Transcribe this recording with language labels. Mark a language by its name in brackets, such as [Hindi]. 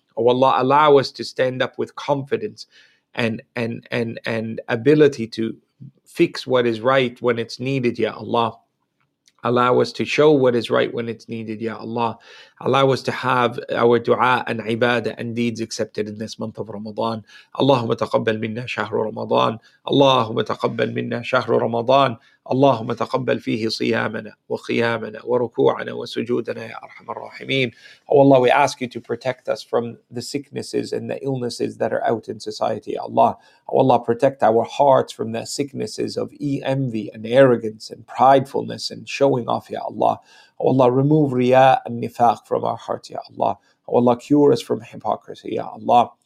[English] Oh Allah, allow us to stand up with confidence and ability to fix what is right when it's needed, Ya Allah. Allow us to show what is right when it's needed, Ya Allah. Allow us to have our dua and ibadah and deeds accepted in this month of Ramadan. [Arabic] Allahumma taqabbal minna shahru Ramadan. Allahumma taqabbal minna shahru Ramadan. اللهم تقبل فيه صيامنا وقيامنا وركوعنا وسجودنا يا أرحم الراحمين. [English] Oh Allah, we ask you to protect us from the sicknesses and the illnesses that are out in society, Ya Allah. Oh Allah, protect our hearts from the sicknesses of envy and arrogance and pridefulness and showing off, Ya Allah. Oh Allah, remove riya and nifaq from our hearts, Ya Allah. Oh Allah, cure us from hypocrisy, Ya Allah.